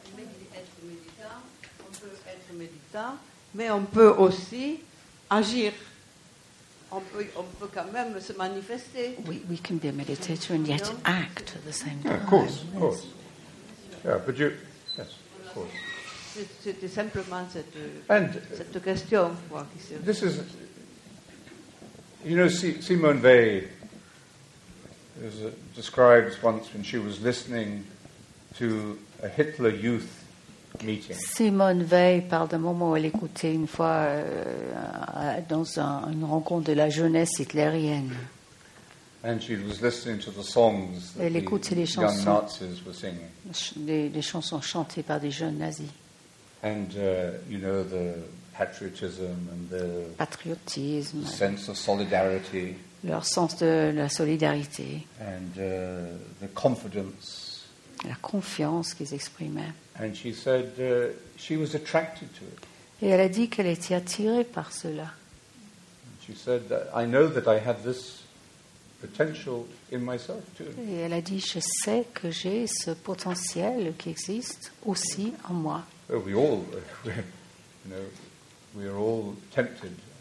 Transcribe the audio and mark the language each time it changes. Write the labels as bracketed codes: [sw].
[fr] On peut être méditant, mais on peut aussi agir. On peut quand même se manifester. [en] We can be a meditator and yet act at the same time. Yeah, of course. Yeah, but you, yes, of course. [fr] C'était simplement cette question. [en] This is, you know, Simone Weil describes once when she was listening to a Hitler Youth. [fr] Simone Weil parle d'un moment où elle écoutait une fois dans une rencontre de la jeunesse hitlérienne. [en] And she was listening to the songs that [fr] elle écoutait [en] the [fr] les chansons, [en] young Nazis were singing. [fr] Les chansons chantées par des jeunes nazis. [en] And you know the patriotism and the [fr] patriotisme, [en] the sense of solidarity, [fr] leur sens de la solidarité, [en] and the confidence, [fr] la confiance qu'ils exprimaient. [en] And she said she was attracted to it. [fr] Et elle a dit qu'elle était attirée par cela. [en] And she said I know that I have this potential in myself too. [fr] Et elle a dit je sais que j'ai ce potentiel qui existe aussi en moi. [en] Well, we all you know we are all tempted.